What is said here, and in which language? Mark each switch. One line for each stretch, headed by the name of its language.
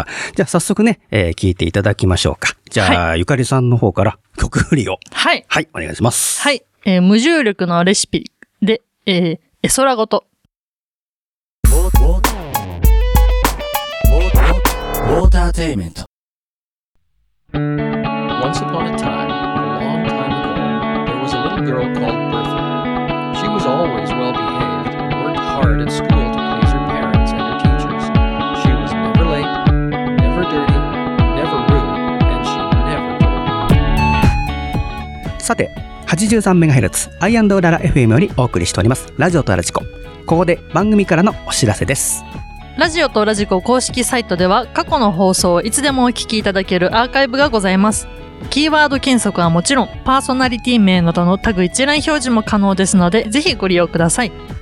Japanese: はい、じゃあ早速ね、聴いていただきましょうか。じゃあ、はい、ゆかりさんの方から曲振りを。はい。はい、お願いします。はい。無重力のレシピで、エソラゴト。ウォーターテイメント。
English: Once upon a time, a long time ago, there was a little girl called Bertha. She was always well behaved and worked hard at school to please her parents and her teachers. She was never late, never dirty, never rude, and she never told her.
Japanese: さて、83MHz アイアンドララ FM よりお送りしておりますラジオとラジコ。ここで番組からのお知らせです。ラジオとラジコ公式サイトでは過去の放送をいつでもお聞きいただけるアーカイブがございます。キーワード検索はもちろん、パーソナリティ名などのタグ一覧表示も可能ですので、ぜひご利用ください。